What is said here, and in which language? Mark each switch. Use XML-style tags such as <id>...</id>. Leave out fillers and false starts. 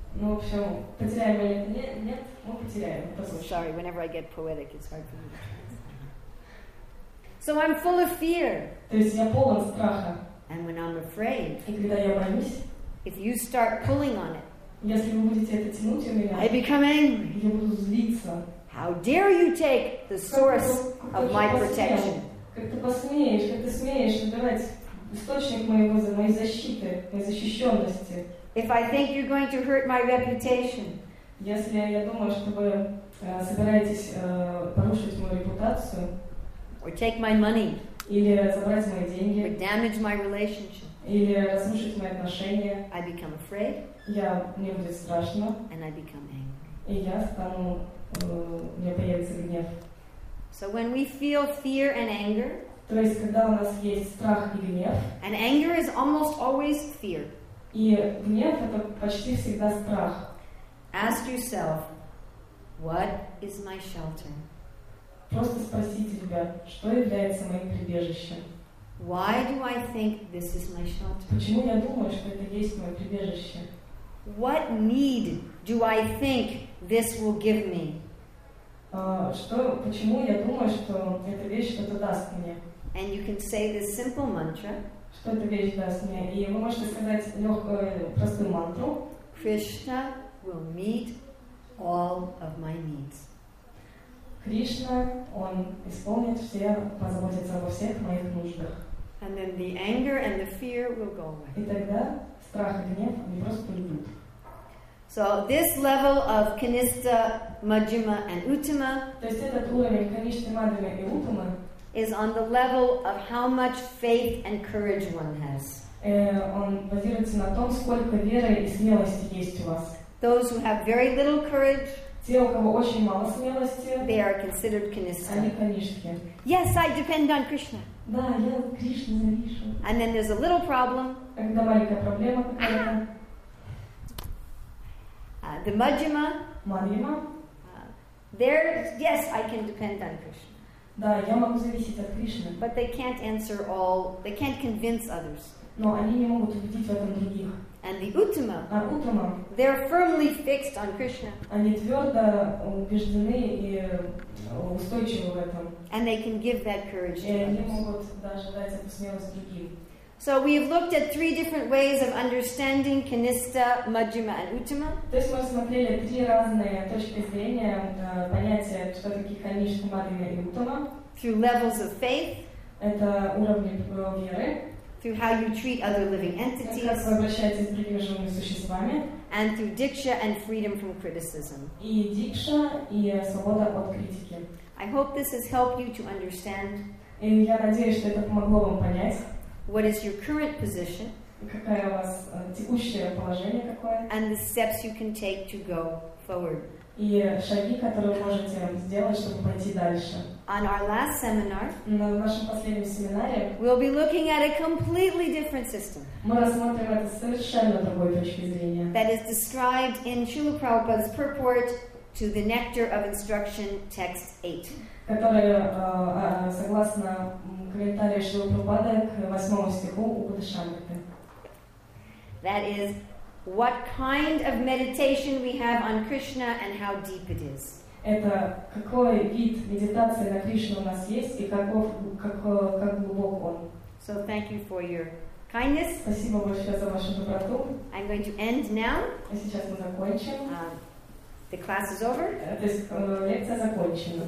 <ru>Ну, в общем, потеряем или нет? Нет, мы потеряем.</ru> <en>I'm sorry, whenever I get poetic, it's hard for me. So I'm full of fear.</en> <ru>То есть я полон страха.</ru> <en>And when I'm afraid.</en> <ru>И когда я боюсь.</ru> <en>If you start pulling on it.</en> <ru>Если вы будете это тянуть у меня,</ru> <en>I become angry.</en> <ru>Я буду злиться.</ru> <en>How dare you take the source of my protection?</en> <ru>Как ты посмеешь, как ты смеешь отбирать источник моего, моей защиты, моей защищенности?</ru> <en>If I think you're going to hurt my reputation.</en> <ru>Если я думаю, что вы собираетесь порушить мою репутацию,</ru> <en>or take my money,</en> <ru>или забрать мои деньги,</ru> <en>or damage my relationship,</en> <ru>или разрушить мои отношения,</ru> <en>I become afraid.</en> <ru>Я, мне будет страшно.</ru> <en>And I become angry.</en> <ru>И я стану, мне появится гнев.</ru> <en>So when we feel fear and anger,</en> <ru>то есть, когда у нас есть страх и гнев,</ru> <en>and anger is almost always fear,</en> <ru>и гнев это почти всегда страх,</ru> <en>ask yourself, what is my shelter?</en> <ru>Просто спросите себя, что является моим прибежищем.</ru> <en>Why do I think this is my shelter?</en> <ru>Почему я думаю, что это есть мое прибежище?</ru> <en>What need do I think this will give me?</en> <ru>Почему я думаю, что эта вещь что-то даст мне?</ru> <en>And you can say this simple mantra.</en> <ru>Что эта вещь даст мне? И вы можете сказать легкую, простую мантру.</ru> <en>Krishna will meet all of my needs.</en> <ru>Кришна, он исполнит все, позаботится обо всех моих нуждах.</ru> <en>And then the anger and the fear will go away.</en> <ru>И тогда страх и гнев, они просто уйдут.</ru> <en>So this level of Kanista, Majjhima, and Uttama is on the level of how much faith and courage one has.</en> <ru>Он базируется на том, сколько веры и смелости есть у вас.</ru> <en>Those who have very little courage,</en> <ru>те, у кого очень мало смелости,</ru> <en>they are considered Kanista.</en> <ru>Они канишки.</ru> <en>Yes, I depend on Krishna.</en> <ru>Да, я Кришну завишу.</ru> <en>And then there's a little problem.</en> <ru>Когда маленькая проблема какая-то.</ru> <en>The Majjhima, Madhyama, there, yes, I can depend on Krishna.</en> <ru>Да, я могу зависеть от Кришны.</ru> <en>But they can't answer all, they can't convince others.</en> <ru>Но они не могут убедить в этом других.</ru> <en>And the Uttama,</en> <ru>а Uttama,</ru> <en>they're firmly fixed on Krishna.</en> <ru>Они твердо убеждены и устойчивы в этом.</ru> <en>And they can give that courage to others.</en> <ru>И они могут даже дать эту смелость другим.</ru> <en>So we have looked at three different ways of understanding Kanista, Majjhima, and Uttama.</en> <ru>То есть мы смотрели три разные точки зрения понятия, что такие Kanista, Madhyama и Uttama.</ru> <en>Through levels of faith.</en> <ru>это уровни веры.</ru> <en>Through how you treat other living entities, and through diksha and freedom from criticism. I hope this has helped you to understand what is your current position and the steps you can take to go forward.</en> <ru>И шаги, которые вы можете сделать, чтобы пойти дальше.</ru> <en>On our last seminar,</en> <ru>на нашем последнем семинаре,</ru> <en>we'll be looking at a completely different system.</en> <ru>Мы рассмотрим это с совершенно другой точки зрения.</ru> <en>That is described in Srila Prabhupada's purport to the Nectar of Instruction, text 8.</en> <ru>Которая согласно комментарию Шрилы Прабхупады к 8 стиху Упанишады.</ru> <en>That is what kind of meditation we have on Krishna and how deep it is.</en> <ru>Это какой вид медитации на Кришну у нас есть и как глубок он.</ru> <en>So thank you for your kindness.</en> <ru>Спасибо большое за вашу доброту.</ru> <en>I'm going to end now.</en> <ru>А сейчас мы закончим.</ru> <en>The class is over.</en> <ru>То есть лекция закончена.</ru>